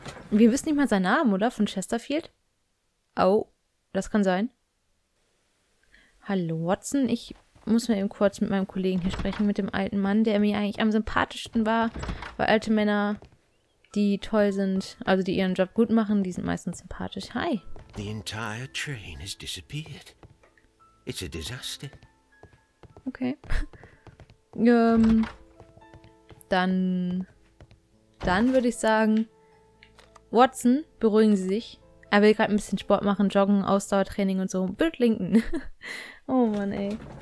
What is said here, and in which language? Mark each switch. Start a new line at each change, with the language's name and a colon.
German: Wir wissen nicht mal seinen Namen, oder? Von Chesterfield? Oh, das kann sein. Hallo, Watson. Ich muss mal eben kurz mit meinem Kollegen hier sprechen. Mit dem alten Mann, der mir eigentlich am sympathischsten war. Weil alte Männer... Die toll sind, also die ihren Job gut machen, die sind meistens sympathisch.
English: Hi. The entire train has disappeared. It's a disaster. Okay.
German: Dann würde ich sagen, Watson, beruhigen Sie sich. Er will gerade ein bisschen Sport machen, Joggen, Ausdauertraining und so. Bild linken. Oh Mann, ey.